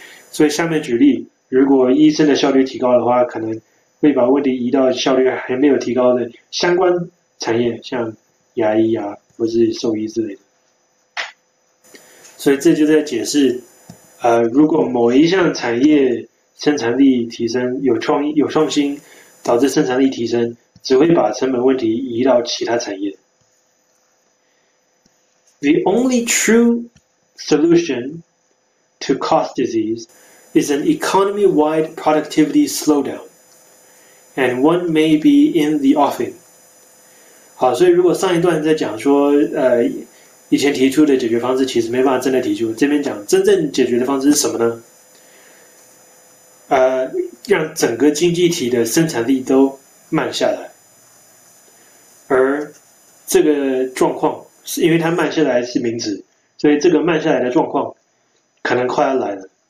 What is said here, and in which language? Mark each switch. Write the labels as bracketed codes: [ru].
[zh] 所以下面举例，如果医生的效率提高的话，可能会把问题移到效率还没有提高的相关产业，像牙医啊，或是兽医之类的。所以这就在解释，如果某一项产业生产力提升，有创意、有创新，导致生产力提升，只会把成本问题移到其他产业。 [en] The only true solution to cost disease is an economy-wide productivity slowdown, and one may be in the offing. [zh] 好，所以如果上一段在讲说，以前提出的解决方式其实没办法真的提出，这边讲真正解决的方式是什么呢？让整个经济体的生产力都慢下来，而这个状况是因为它慢下来是名词，所以这个慢下来的状况可能快要来了。